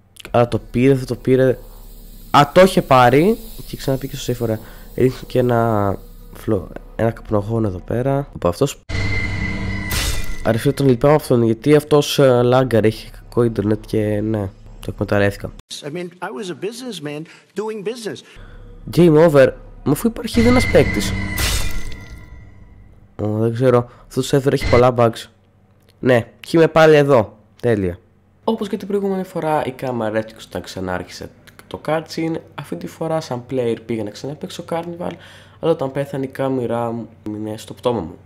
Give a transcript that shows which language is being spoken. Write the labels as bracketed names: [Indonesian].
[Greek] Αλλά το πήρε, δεν το πήρε. Α, το είχε πάρει. Και ξαναπήκε στο safe, ωραία. Ρίχνει και ένα καπνογόνο εδώ πέρα. Από αυτός. Αρχίζω τον λυπάμαι αυτόν, γιατί αυτός λάγκαρ, έχει κακό ίντερνετ και ναι, το εκμεταλλεύτηκα. [English] I mean, I was a businessman doing business. [Greek] Game over, μα αφού υπάρχει ήδη ένας παίκτης. Δεν ξέρω, αυτό το σερβερ έχει πολλά bugs. Ναι, και είμαι πάλι εδώ, τέλεια. Όπως και την προηγούμενη φορά η κάμερα έτσι όταν ξανάρχισε το cutscene. Αυτή τη φορά σαν player πήγα να ξαναπαίξω Carnival. Αλλά όταν πέθανε η κάμερα μου μείνει στο πτώμα μου.